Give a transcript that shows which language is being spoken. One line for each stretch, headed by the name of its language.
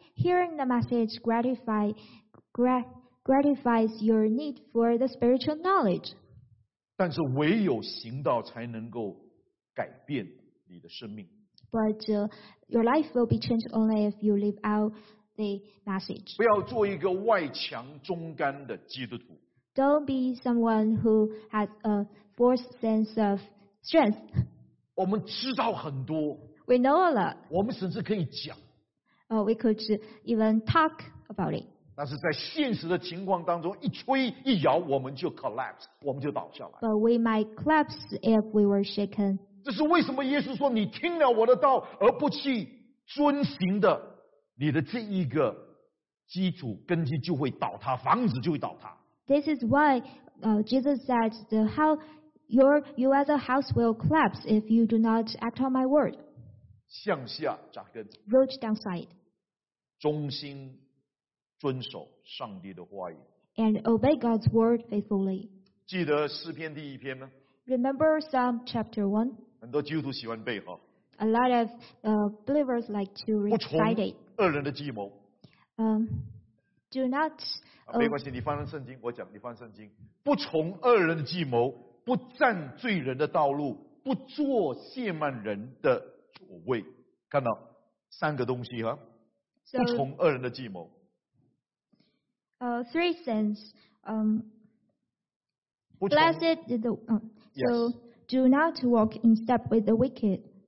English: Hearing the message gratifies your need for the spiritual knowledge.
Chinese: 但是唯有行道才能够改变你的生命。
English: But your life will be changed only if you live out the message.
Chinese: 不要做一个外强中干的基督徒。
English: Don't be someone who has a false sense of strength.
Chinese: 我们知道很多。
English: We know a lot.
Chinese: 我们甚至可以讲。
English: We could even talk about it.
Chinese: 但是在现实的情况当中，一吹一摇，我们就 collapse， 我们就倒下来。
English: But we might collapse if we were shaken.
Chinese: 这是为什么耶稣说你听了我的道而不去遵行的，你的这一个基础根基就会倒塌，房子就会倒塌。
English: This is why Jesus said the how you as a house will collapse if you do not act on my word.
Chinese: 向下扎根
English: root downside
Chinese: 忠心遵守上帝的话语
English: and obey God's word faithfully
Chinese: 记得诗篇第一篇吗
English: remember Psalm chapter 1
Chinese: 很多基督徒喜欢背
English: a lot of believers like to recite it
Chinese: 恶人的计谋
English: do not
Chinese: 没关系你翻翻圣经我讲你翻圣经不从恶人的计谋不占罪人的道路不做亵慢人的所谓看到三个东西哈，不从恶人的计谋。
English: Three things. Blessed is the so do not walk in step with the wicked.